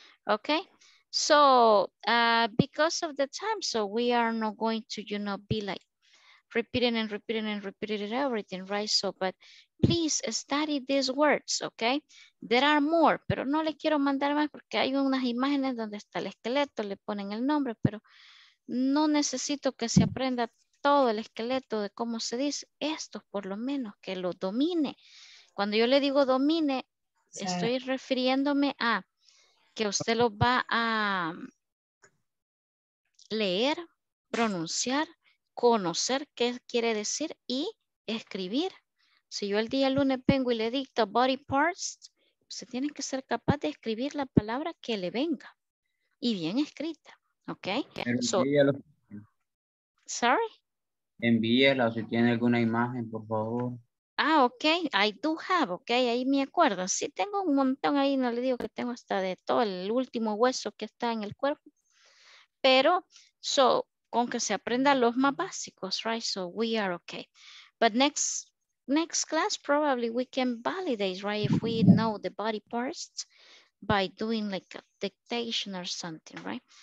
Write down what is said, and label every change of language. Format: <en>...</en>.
<en>Okay, so, because of the time, so we are not going to, you know, be like repeating and repeating and repeating everything, right? So, but please study these words, okay? There are more,</en> <es>pero no le quiero mandar más porque hay unas imágenes donde está el esqueleto, le ponen el nombre, pero no necesito que se aprenda todo el esqueleto de cómo se dice. Esto, por lo menos, que lo domine. Cuando yo le digo domine, Estoy refiriéndome a que usted lo va a leer, pronunciar, conocer qué quiere decir y escribir. Si yo el día lunes vengo y le dicto body parts, usted tiene que ser capaz de escribir la palabra que le venga y bien escrita, ¿ok? Envíelo. Envíelo si tiene alguna imagen, por favor.</es> <en>Ah, ok, I do have, ok,</en> <es>ahí me acuerdo. Sí, tengo un montón ahí, no le digo que tengo hasta de todo el último hueso que está en el cuerpo. Pero, so, con que se aprenda los más básicos, right?</es> <en>So, we are okay. But next class, probably we can validate, right? If we know the body parts by doing like a dictation or something, right?</en>